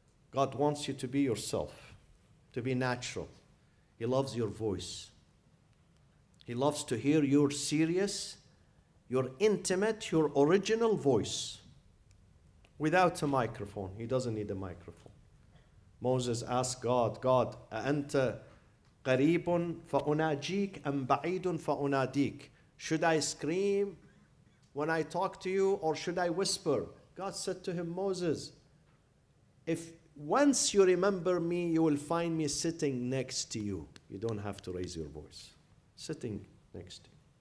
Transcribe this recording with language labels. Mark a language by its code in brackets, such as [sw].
[en] God wants you to be yourself, to be natural. He loves your voice. He loves to hear your serious, your intimate, your original voice without a microphone. He doesn't need a microphone. Moses asked God, God, [ar] أَأَنْتَ قَرِيبٌ فَأُنَاجِيكَ أَمْ بَعِيدٌ فَأُنَادِيكَ. [en] Should I scream when I talk to you or should I whisper? God said to him, Moses, if once you remember me, you will find me sitting next to you. You don't have to raise your voice. Sitting next to you.